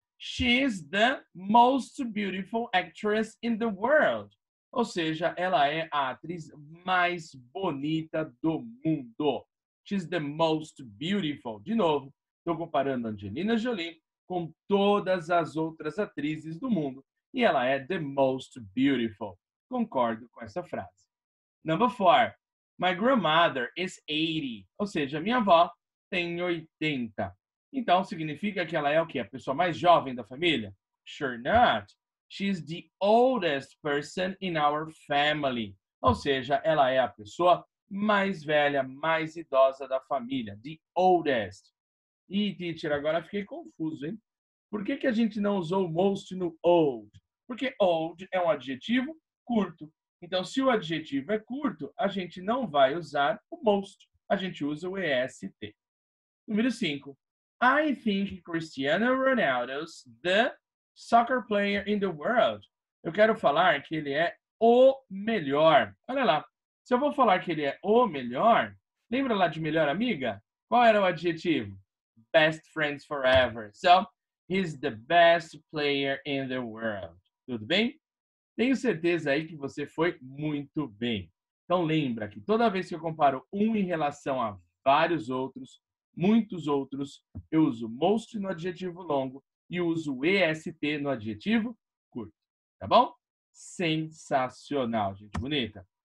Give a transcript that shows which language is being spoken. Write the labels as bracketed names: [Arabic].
[English] She's the most beautiful actress in the world. [Portuguese] Ou seja, ela é a atriz mais bonita do mundo. [English] She's the most beautiful. [Portuguese] De novo, estou comparando Angelina Jolie com todas as outras atrizes do mundo. E ela é [English] the most beautiful. [Portuguese] Concordo com essa frase. [English] Number four. My grandmother is 80. [Portuguese] Ou seja, minha avó tem 80. Então, significa que ela é o quê? A pessoa mais jovem da família? [English] Sure not. She's the oldest person in our family. [Portuguese] Ou seja, ela é a pessoa mais velha, mais idosa da família. [English] The oldest. [Portuguese] Ih, teacher, agora fiquei confuso, hein? Por que a gente não usou most no old? Porque old é um adjetivo curto. Então, se o adjetivo é curto, a gente não vai usar o most. A gente usa o est. Número 5. [English] I think Cristiano Ronaldo's the soccer player in the world. [Portuguese] Eu quero falar que ele é o melhor. Olha lá. Se eu vou falar que ele é o melhor, lembra lá de melhor amiga? Qual era o adjetivo? [English] Best friends forever. So, he's the best player in the world. [Portuguese] Tudo bem? Tenho certeza aí que você foi muito bem. Então, lembra que toda vez que eu comparo um em relação a vários outros, muitos outros, eu uso most no adjetivo longo e uso est no adjetivo curto. Tá bom? Sensacional, gente bonita.